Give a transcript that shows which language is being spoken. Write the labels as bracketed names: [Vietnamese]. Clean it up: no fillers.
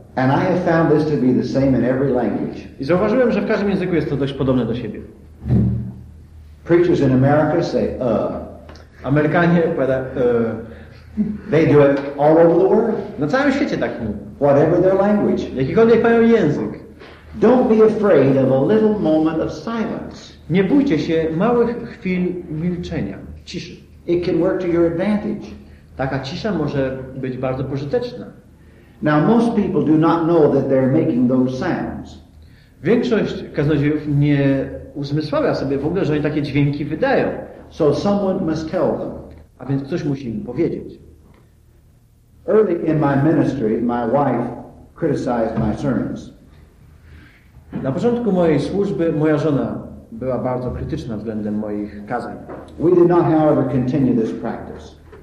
[English] And I have found this to be the same in every language. [Polish] I zauważyłem, że w każdym języku jest to dość podobne do siebie. [English] Preachers in America say [Polish] Amerykanie powiada, [English] they do it all over the world. [Polish] Na całym świecie tak mówią. [English] Whatever their language. [Polish] Jakikolwiek mają język. [English] Don't be afraid of a little moment of silence. [Polish] Nie bójcie się małych chwil milczenia, ciszy. [English] It can work to your advantage. [Polish] Taka cisza może być bardzo pożyteczna. [English] Now most people do not know that they're making those sounds. [Polish] Większość kaznodziejów nie uzmysławia sobie w ogóle, że oni takie dźwięki wydają. [English] So someone must tell them. [Polish] A więc ktoś musi im powiedzieć. [English] Early in my ministry, my wife criticized my sermons. [Polish] Na początku mojej służby moja żona była bardzo krytyczna względem moich kazań. [English] We did not, however, continue this practice.